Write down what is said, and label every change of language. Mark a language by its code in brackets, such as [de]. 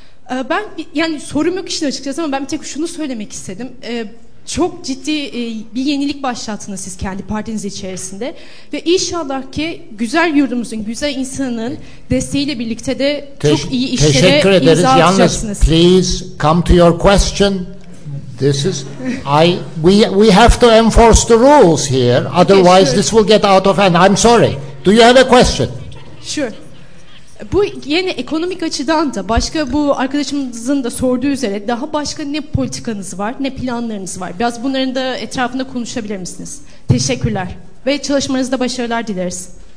[tr] Ben yani sorum yok işin açıkçası ama ben bir tek şunu söylemek istedim. Çok ciddi bir yenilik başlattınız siz kendi partiniz içerisinde. Ve inşallah ki güzel yurdumuzun, güzel insanın desteğiyle birlikte de çok iyi işlere imza atacaksınız. Teşekkür ederiz. Yalnız [en] please come to your question. This is we have to enforce the rules here. Otherwise yeah, sure. This will get out of hand. I'm sorry. Do you have a question? Sure. [tr] Bu yeni ekonomik açıdan da başka bu arkadaşımızın da sorduğu üzere daha başka ne politikanız var, ne planlarınız var? Biraz bunların da etrafında konuşabilir misiniz? Teşekkürler ve çalışmanızda başarılar dileriz.